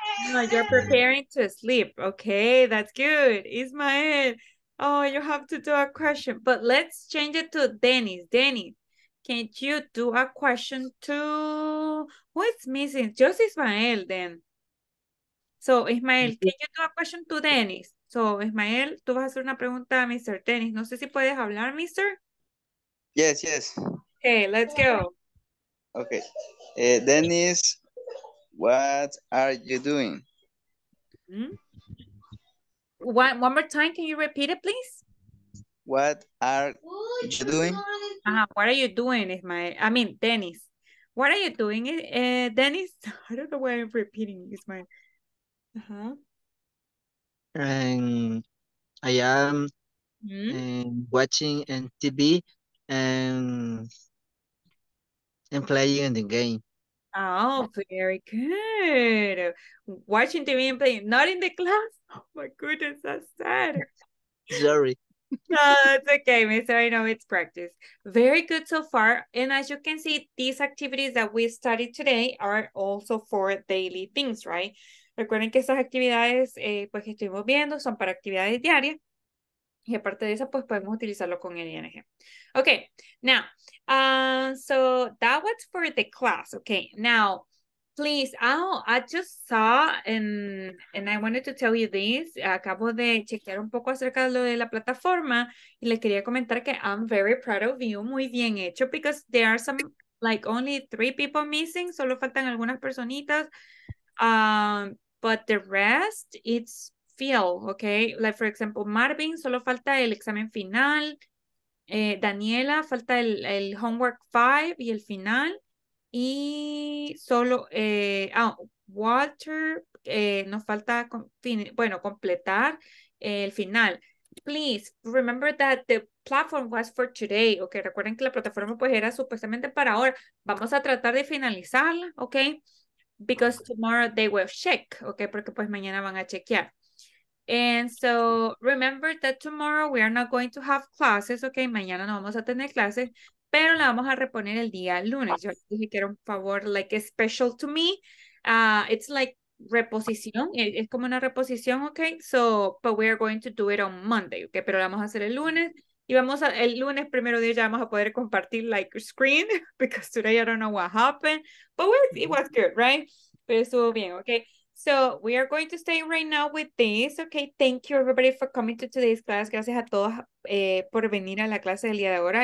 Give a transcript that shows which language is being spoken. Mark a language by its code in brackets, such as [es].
[en] No, you're preparing to sleep. Okay, that's good. Ismael, oh, you have to do a question. But let's change it to Dennis. Dennis, can you do a question to... Who is missing? Just Ismael then. So, Ismael, can you do a question to Dennis? [es] So, Ismael, tú vas a hacer una pregunta a Mr. Dennis. No sé si puedes hablar, Mr. [en] Yes, yes. Okay, let's go. Okay. Dennis, what are you doing? Mm-hmm. One more time, can you repeat it, please? What are you doing? What are you doing, Ismael? I mean, Dennis. What are you doing, Dennis? I don't know why I'm repeating, Ismael. Uh-huh. And I am watching on TV and playing in the game. Oh, very good. Watching TV and playing, not in the class. Oh my goodness, that's sad. Sorry. No, it's okay, miss. I know it's practice. Very good so far. And as you can see, these activities that we studied today are also for daily things, right? [es] Recuerden que estas actividades pues, que estuvimos viendo son para actividades diarias. Y aparte de eso, pues podemos utilizarlo con el ING. [en] Okay, now, so that was for the class. Okay, now, please, I just saw and I wanted to tell you this. [es] Acabo de chequear un poco acerca de lo de la plataforma y les quería comentar que [en] I'm very proud of you. [es] Muy bien hecho, [en] because there are some, like, only 3 people missing. [es] Solo faltan algunas personitas. [en] But the rest, it's filled, okay? Like, for example, [es] Marvin, solo falta el examen final. Daniela, falta el homework 5 y el final. Y solo, Walter, nos falta, completar el final. [en] Please, remember that the platform was for today, okay? [es] Recuerden que la plataforma, pues, era supuestamente para ahora. Vamos a tratar de finalizarla, [en] okay? Because tomorrow they will check, okay? [es] Porque pues mañana van a chequear. [en] And so remember that tomorrow we are not going to have classes, okay? [es] Mañana no vamos a tener clases, pero la vamos a reponer el día lunes. Yo dije que era un favor, [en] like a special to me. [es] It's like reposición, es como una reposición, okay? [en] So, but we are going to do it on Monday, okay? [es] Pero la vamos a hacer el lunes. Y vamos a, el lunes primero día ya vamos a poder compartir [en] like screen because today I don't know what happened, but it was good, right? [es] Pero estuvo bien, okay? [en] So we are going to stay right now with this, [es] okay? [en] Thank you everybody for coming to today's class. [es] Gracias a todos por venir a la clase del día de ahora.